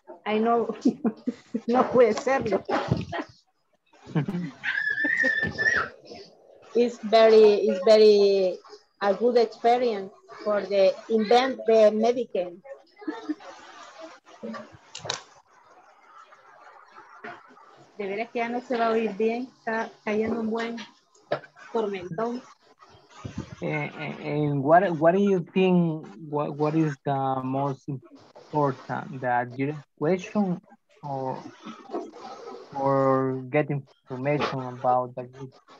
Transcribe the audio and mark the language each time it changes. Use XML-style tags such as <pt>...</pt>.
<en>I know</en> <es>no puede serlo.</es> <en>It's very a good experience for the invent the medicine.</en> <es>De veras que ya no se va a oír bien, está cayendo un buen tormentón.</es> <en>And what do you think what is the most important that you question or get information about the group?</en>